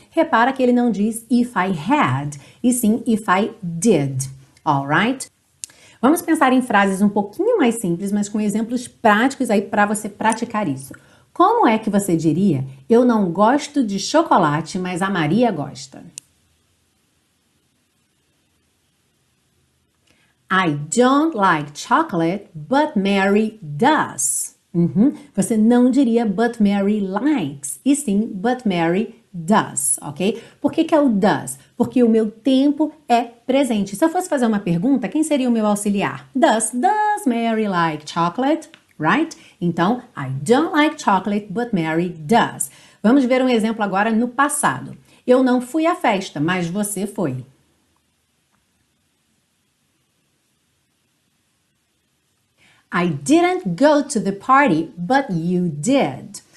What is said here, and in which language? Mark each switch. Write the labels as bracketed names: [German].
[Portuguese] Repara que ele não diz [English] if I had, [Portuguese] e sim [English] if I did. All right? [Portuguese] Vamos pensar em frases um pouquinho mais simples, mas com exemplos práticos aí para você praticar isso. Como é que você diria: Eu não gosto de chocolate, mas a Maria gosta? [English] I don't like chocolate, but Mary does. [Portuguese] Você não diria [English] but Mary likes, [Portuguese] e sim [English] but Mary does, [Portuguese] ok? Por que que é o does? Porque o meu tempo é presente. Se eu fosse fazer uma pergunta, quem seria o meu auxiliar? [English] Does Mary like chocolate, right? Então, I don't like chocolate, but Mary does. [Portuguese] Vamos ver um exemplo agora no passado. Eu não fui à festa, mas você foi. [English] I didn't go to the party, but you did.